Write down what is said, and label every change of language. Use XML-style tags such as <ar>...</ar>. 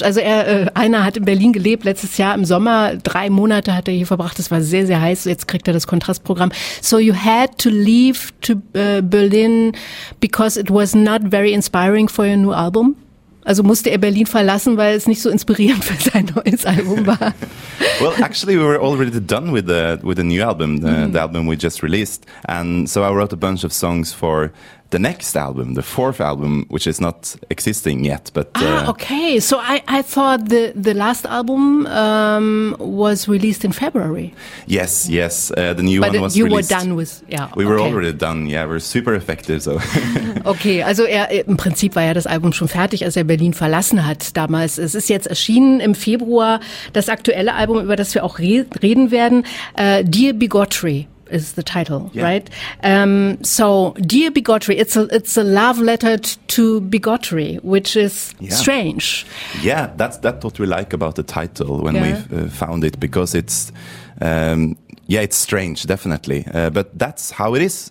<de>Also einer hat in Berlin gelebt letztes Jahr im Sommer. 3 Monate hat hier verbracht. Es war sehr, sehr heiß. Jetzt kriegt das Kontrastprogramm.</de> <en>So you had to leave to Berlin because it was not very inspiring for your new album?</en> <de>Also musste Berlin verlassen, weil es nicht so inspirierend für sein neues Album war.</de> <en>Well, actually, we were already done with the new album, the album we just released. And so I wrote a bunch of songs for the next album, the fourth album, which is not existing yet. But okay. So I thought the last album was released in February. Yes, yes. The new but one was you released. Were done with, yeah. We were already done. Yeah, we're super effective. So.</en> <de>Okay, also im Prinzip war ja das Album schon fertig, als Berlin verlassen hat damals. Es ist jetzt erschienen im Februar, das aktuelle Album, über das wir auch reden werden, Dear Bigotry.</de> <en>Is the title, yeah. Right? So, Dear Bigotry, it's a love letter to bigotry, which is strange. Yeah, that's what we like about the title when we found it, because it's... yeah, it's strange, definitely. But that's how it is.</en>